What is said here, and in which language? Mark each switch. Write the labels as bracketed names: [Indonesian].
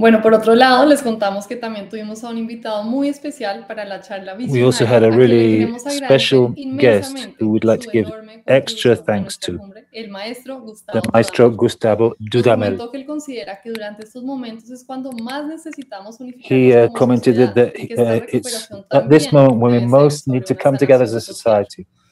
[Spanish] Bueno, por otro lado, les contamos que también tuvimos a un invitado muy especial para la charla visionaria. [English] We also had a really special guest who we'd like to give extra thanks to. [Spanish] El maestro Gustavo. [English] The maestro Gustavo Dudamel. [Spanish] Que él considera que durante estos momentos es cuando más necesitamos unificar. [English] He commented that it's at this moment when we most need to come together as a society.